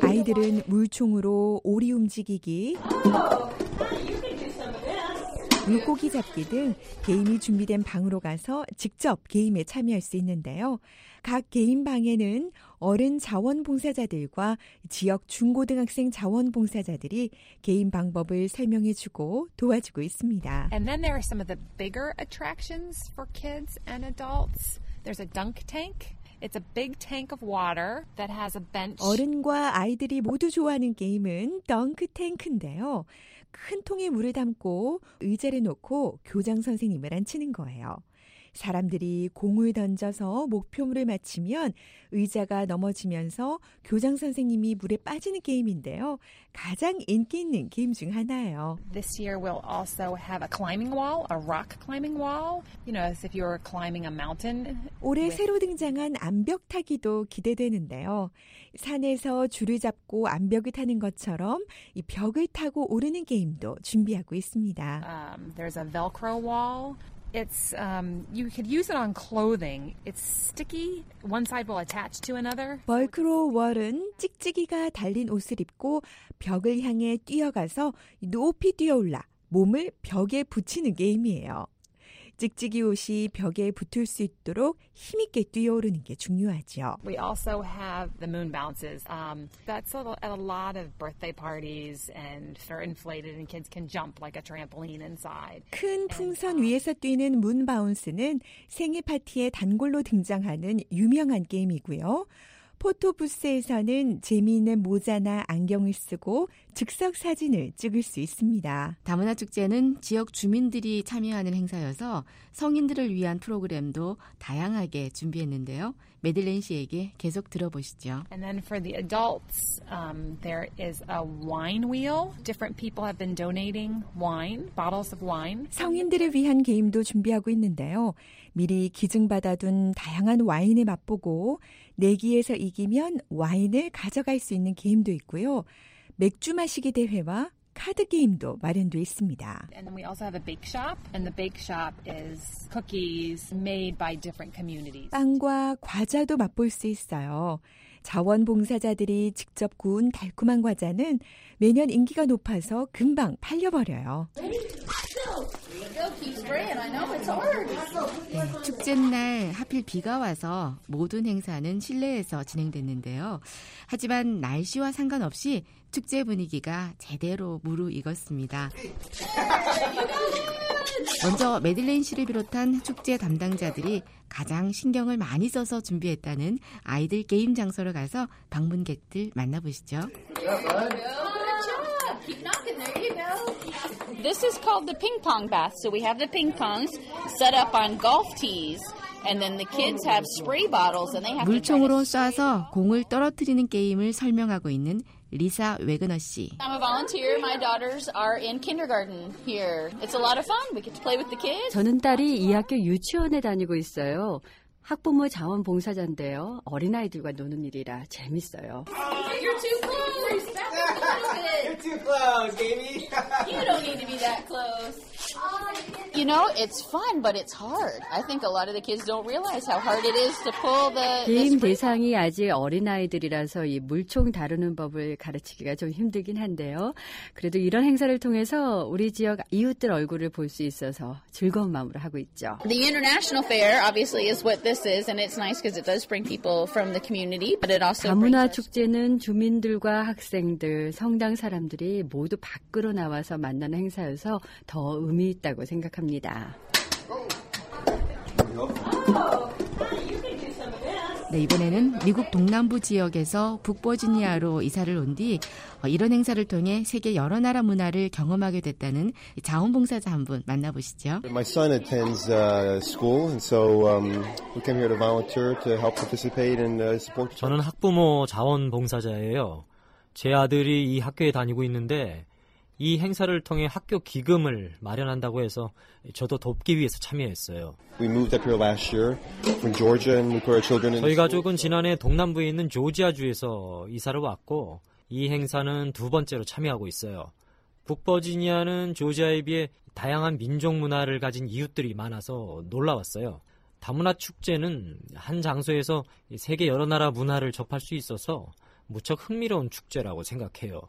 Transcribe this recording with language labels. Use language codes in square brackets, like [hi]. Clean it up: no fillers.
[ko] 아이들은 물총으로 오리 움직이기, 물고기 잡기 등 게임이 준비된 방으로 가서 직접 게임에 참여할 수 있는데요. 각 게임방에는 어른 자원봉사자들과 지역 중고등학생 자원봉사자들이 게임 방법을 설명해주고 도와주고 있습니다. [en] And then there are some of the bigger attractions for kids and adults. There's a dunk tank. It's a big tank of water that has a bench. [ko] 어른과 아이들이 모두 좋아하는 게임은 덩크 탱크인데요. 큰 통에 물을 담고 의자를 놓고 교장 선생님을 앉히는 거예요. 사람들이 공을 던져서 목표물을 맞추면 의자가 넘어지면서 교장 선생님이 물에 빠지는 게임인데요. 가장 인기 있는 게임 중 하나예요. [en] This year we'll also have a climbing wall, a rock climbing wall, you know, as if you're climbing a mountain. [ko] 올해 새로 등장한 암벽 타기도 기대되는데요. 산에서 줄을 잡고 암벽을 타는 것처럼 이 벽을 타고 오르는 게임도 준비하고 있습니다. [en] There's a Velcro wall. It's you could use it on clothing. It's sticky. One side will attach to another. [ko] 벨크로 월은 찍찍이가 달린 옷을 입고 벽을 향해 뛰어가서 높이 뛰어올라 몸을 벽에 붙이는 게임이에요. 찍찍이 옷이 벽에 붙을 수 있도록 힘있게 뛰어오르는 게 중요하죠. [en] We also have the moon bounces. That's at a lot of birthday parties and they're inflated and kids can jump like a trampoline inside. [ko] 큰 풍선 위에서 뛰는 문 바운스는 생일 파티에 단골로 등장하는 유명한 게임이고요. 포토부스에서는 재미있는 모자나 안경을 쓰고 즉석 사진을 찍을 수 있습니다. 다문화 축제는 지역 주민들이 참여하는 행사여서 성인들을 위한 프로그램도 다양하게 준비했는데요. 메들렌 씨에게 계속 들어보시죠. [en] And then for the adults, there is a wine wheel. Different people have been donating wine, bottles of wine. [ko] 성인들을 위한 게임도 준비하고 있는데요. 미리 기증받아둔 다양한 와인을 맛보고 내기에서 이기면 와인을 가져갈 수 있는 게임도 있고요. 맥주 마시기 대회와 카드 게임도 마련돼 있습니다. [en] And then we also have a bake shop, and the bake shop is cookies made by different communities. [ko] 빵과 과자도 맛볼 수 있어요. 자원봉사자들이 직접 구운 달콤한 과자는 매년 인기가 높아서 금방 팔려버려요. Yeah, 축제 날 하필 비가 와서 모든 행사는 실내에서 진행됐는데요. 하지만 날씨와 상관없이 축제 분위기가 제대로 무르익었습니다. 먼저 메들렌 씨를 비롯한 축제 담당자들이 가장 신경을 많이 써서 준비했다는 아이들 게임 장소로 가서 방문객들 만나보시죠. [en] This is called the ping pong bath. So we have the ping pongs set up on golf tees. And then the kids have spray bottles and they have [ko] 물총으로 쏴서 공을 떨어뜨리는 게임을 설명하고 있는 리사 웨그너 씨. [en] I'm a volunteer. My daughters are in kindergarten here. It's a lot of fun. We get to play with the kids. [ko] 저는 딸이 2학교 유치원에 다니고 있어요. 학부모 자원봉사자인데요. 어린아이들과 노는 일이라 재밌어요. [en] You're too close. Respect a little bit. You're too close, baby. You don't need to be that close. You know, it's fun, but it's hard. I think a lot of the kids don't realize how hard it is to pull the [ko] 게임 대상이 아직 어린아이들이라서 이 물총 다루는 법을 가르치기가 좀 힘들긴 한데요. 그래도 이런 행사를 통해서 우리 지역 이웃들 얼굴을 볼 수 있어서 즐거운 마음으로 하고 있죠. [en] The international fair obviously is what this is and it's nice because it does bring people from the community, but it also [ko] 다문화 축제는 주민들과 학생들, 성당 사람들이 모두 밖으로 나와서 만나는 행사여서 더 의미 있다고 생각합니다. 네, 이번에는 미국 동남부 지역에서 북버지니아로 이사를 온 뒤 이런 행사를 통해 세계 여러 나라 문화를 경험하게 됐다는 자원봉사자 한 분 만나보시죠. [en] My son attends school and so we came here to volunteer to help participate and support. [ko] 저는 학부모 자원봉사자예요. 제 아들이 이 학교에 다니고 있는데 이 행사를 통해 학교 기금을 마련한다고 해서 저도 돕기 위해서 참여했어요. [en] We moved up here last year from Georgia and we put our children in. [ko] 저희 가족은 지난해 동남부에 있는 조지아주에서 이사를 왔고 이 행사는 두 번째로 참여하고 있어요. 북버지니아는 조지아에 비해 다양한 민족 문화를 가진 이웃들이 많아서 놀라웠어요. 다문화 축제는 한 장소에서 세계 여러 나라 문화를 접할 수 있어서 무척 흥미로운 축제라고 생각해요.